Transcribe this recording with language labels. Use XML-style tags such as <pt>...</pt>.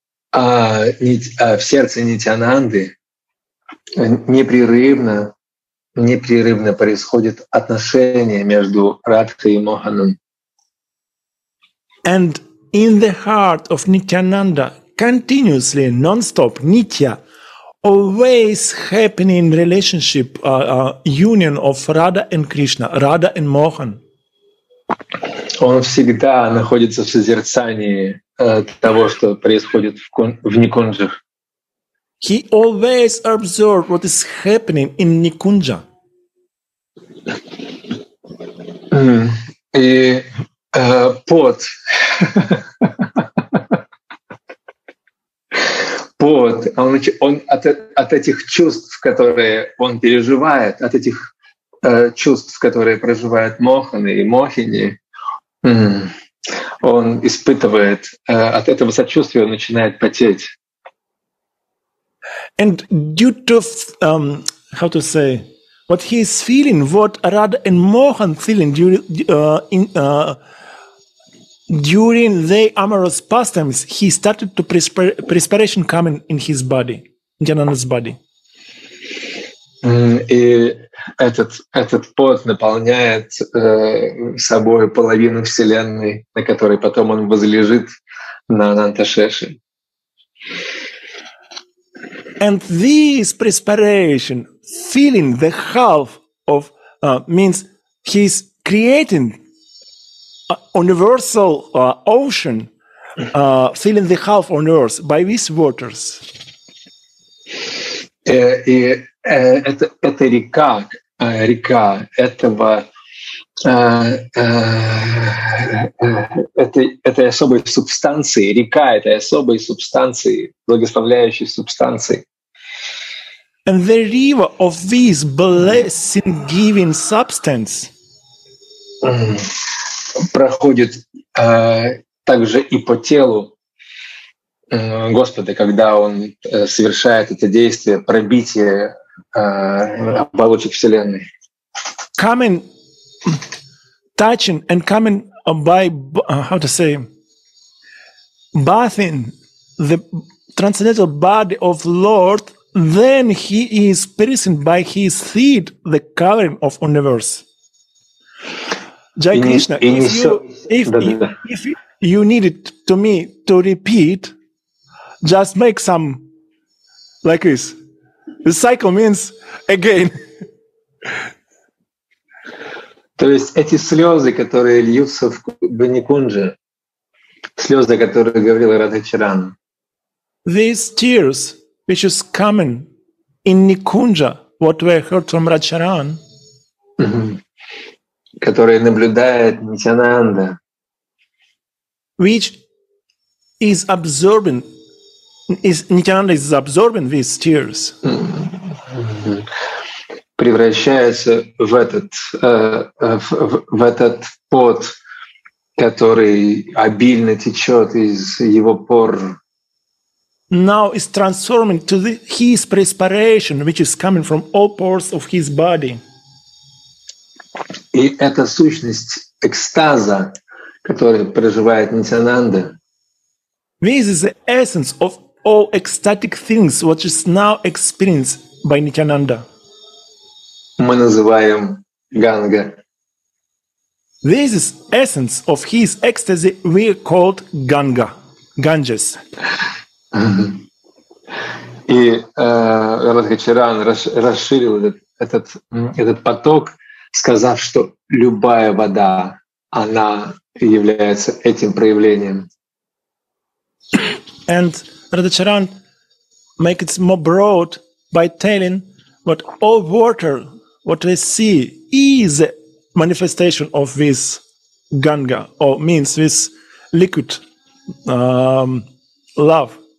<ru>А в сердце Нитьянанды непрерывно происходит отношение между Радхой и Моханом.</ru> <en>And in the heart of Nityananda, continuously, non-stop, Nitya, always happening relationship, union of Radha and Krishna, Radha and Mohan.</en> <ru>Он всегда находится в созерцании того, что происходит в Никунджах.</ru> <en>He always observes what is happening in Nikunja.</en> <ru>И пот. Пот. Он от этих чувств, которые он переживает, от этих чувств, которые проживают Моханы и Мохини, он испытывает, от этого сочувствия он начинает потеть.</ru> <en>And due to, how to say, what he is feeling, what Radha and Mohan feeling during their amorous pastimes, he started to perspiration coming in his body, in Jananda's body.</en> <ru>И этот пот наполняет собой половину Вселенной, на которой потом он возлежит на Ананта-шеше.</ru> <en>And this perspiration, feeling the half of, means he's creating a universal ocean, feeling the half on earth by these waters.</en> <ru>И это река этого, этой особой субстанции, река этой особой субстанции, благословляющей субстанции.</ru> <en>And the river of this blessing-giving substance</en> <ru>проходит также и по телу Господа, когда Он совершает это действие пробитие оболочек Вселенной.</ru> <en>Coming, touching, and coming by, how to say, bathing the transcendental body of Lord, then he is piercing by his feet the covering of universe. Jai Krishna, if you need it to me to repeat, just make some like this. The cycle means again.</en> <ru>То есть эти слезы, которые льются в Банекунже, слезы, которые говорил Радхачаран.</ru> <en>These tears which is coming in Nikunja, what we heard from Radhacharan,</en> <ru>которые наблюдает Нитьянанда,</ru> <en>which is absorbing, is Nityananda is absorbing these tears,</en> <ru>превращается в этот этот пот, который обильно течет из его пор.</ru> <en>Now is transforming to the, his perspiration, which is coming from all pores of his body.</en> <ru>И это сущность экстаза, которую проживает Нитьянанда.</ru> <en>This is the essence of all ecstatic things, which is now experienced by Nityananda.</en> <ru>Мы называем Ганга.</ru> <en>This is essence of his ecstasy we called Ganga, Ganges.</en> <ru>И Радха Чаран расширил этот поток, сказав, что любая вода, она является этим проявлением.</ru> <en>And Radha Charan make it more broad by telling what all water, what we see, is a manifestation of this Ganga, or means this liquid love.</en>